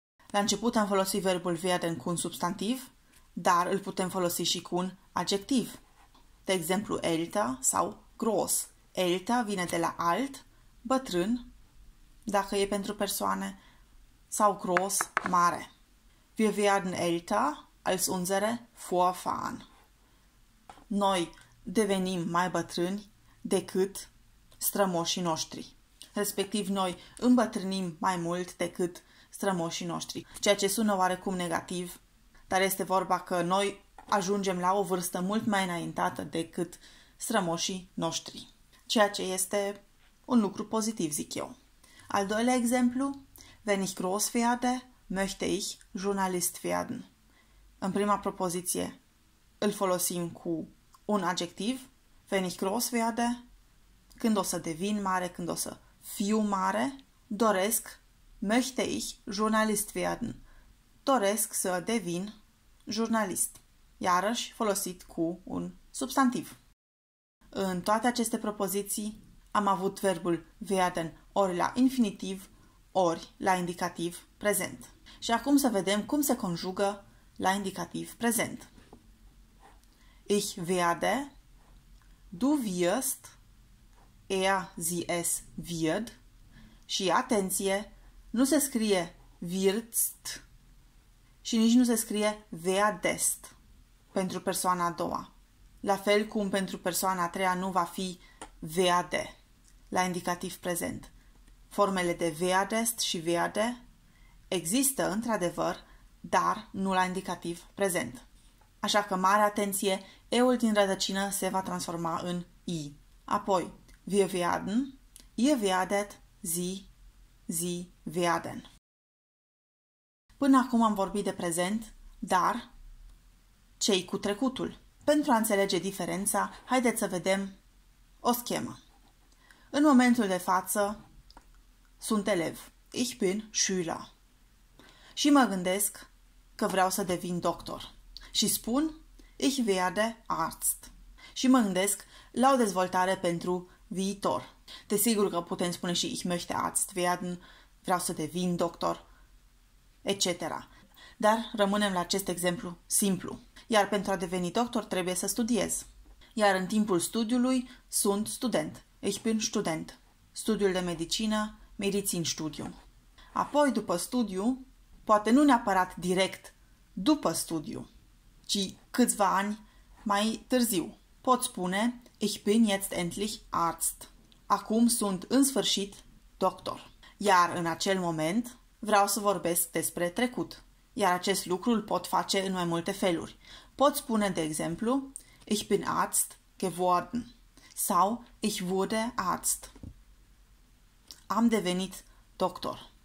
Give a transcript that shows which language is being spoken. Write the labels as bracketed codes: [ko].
[ro] La început am folosit verbul werden cu un substantiv, dar îl putem folosi și cu un adjectiv. De exemplu, [de] älter sau groß. [ro] Älter vine de la alt, bătrân, dacă e pentru persoane, sau groß, mare. [de] Wir werden älter als unsere Vorfahren. [ro] Noi devenim mai bătrâni decât strămoșii noștri. Respectiv, noi îmbătrânim mai mult decât strămoșii noștri. Ceea ce sună oarecum negativ, dar este vorba că noi ajungem la o vârstă mult mai înaintată decât strămoșii noștri. Ceea ce este un lucru pozitiv, zic eu. Al doilea exemplu, [de] wenn ich groß werde, möchte ich Journalist werden. [ro] În prima propoziție îl folosim cu un adjectiv, [de] wenn ich groß werde, [ro] când o să devin mare, când o să fiu mare, doresc, [de] möchte ich Journalist werden, [ro] doresc să devin jurnalist, iarăși folosit cu un substantiv. În toate aceste propoziții am avut verbul werden ori la infinitiv, ori la indicativ prezent. Și acum să vedem cum se conjugă la indicativ prezent. [de] Ich werde, du wirst, er, sie, es, wird. [ro] Și atenție, nu se scrie wirst și nici nu se scrie werdest pentru persoana a doua. La fel cum pentru persoana a treia nu va fi werde la indicativ prezent. Formele de werdest și werde există într-adevăr, dar nu la indicativ prezent. Așa că, mare atenție, e-ul din rădăcină se va transforma în i. [de] Apoi, wir werden, ihr werdet, sie, sie werden. [ro] Până acum am vorbit de prezent, dar ce-i cu trecutul? Pentru a înțelege diferența, haideți să vedem o schemă. În momentul de față, sunt elev. Ich bin Schüler. Și mă gândesc că vreau să devin doctor. Și spun, [de] ich werde Arzt. [ro] Și mă gândesc la o dezvoltare pentru viitor. Desigur că putem spune și [de] ich möchte Arzt werden, [ro] vreau să devin doctor, etc. Dar rămânem la acest exemplu simplu. Iar pentru a deveni doctor trebuie să studiez. Iar în timpul studiului sunt student. [de] Ich bin Student. [ro] Studiul de medicină, [de] Medizin Studium. [ro] Apoi, după studiu, poate nu neapărat direct după studiu, ci câțiva ani mai târziu. Pot spune, [de] ich bin jetzt endlich Arzt. [ro] Acum sunt în sfârșit doctor. Iar în acel moment vreau să vorbesc despre trecut. Iar acest lucru îl pot face în mai multe feluri. Pot spune, de exemplu, [de] ich bin Arzt geworden. [ro] Sau, [de] ich wurde Arzt. [ro] Am devenit doctor.